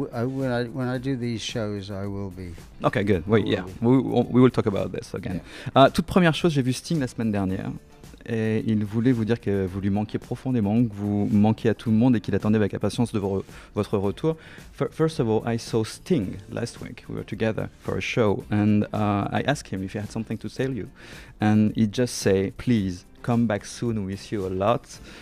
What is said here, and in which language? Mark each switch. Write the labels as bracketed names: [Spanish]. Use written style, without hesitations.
[English] When I do these shows, I will be. Okay, good. We will talk about this again. Yeah. [French] Toute première chose, j'ai vu Sting la semaine dernière. Et il voulait vous dire que vous lui manquiez profondément, que vous manquiez à tout le monde et qu'il attendait avec impatience de votre retour. [English] First of all, I saw Sting last week. We were together for a show. And I asked him if he had something to tell you. And he just said, please, come back soon. We miss you a lot.